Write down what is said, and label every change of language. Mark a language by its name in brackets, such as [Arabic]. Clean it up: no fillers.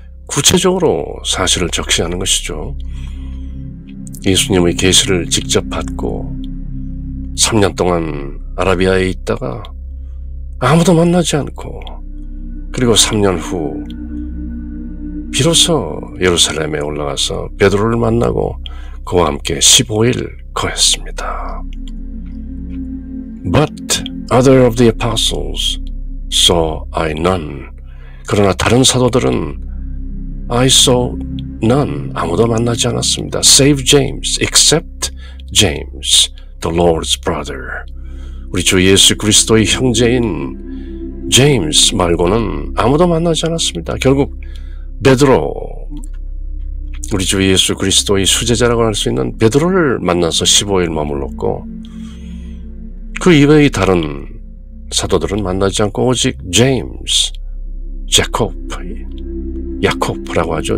[Korean] 구체적으로 사실을 적시하는 것이죠. 예수님의 계시를 직접 받고 3년 동안 아라비아에 있다가 아무도 만나지 않고 그리고 3년 후 비로소 예루살렘에 올라가서 베드로를 만나고 그와 함께 15일 거했습니다. [English] But other of the apostles saw I none. [Korean] 그러나 다른 사도들은 [English] I saw none. [Korean] 아무도 만나지 않았습니다. [English] Save James, except James, the Lord's brother. [Korean] 우리 주 예수 그리스도의 형제인 James 말고는 아무도 만나지 않았습니다. 결국 베드로, 우리 주 예수 그리스도의 수제자라고 할 수 있는 베드로를 만나서 15일 머물렀고 그 이외의 다른 사도들은 만나지 않고 오직 James, Jacob, 야콥이라고 하죠.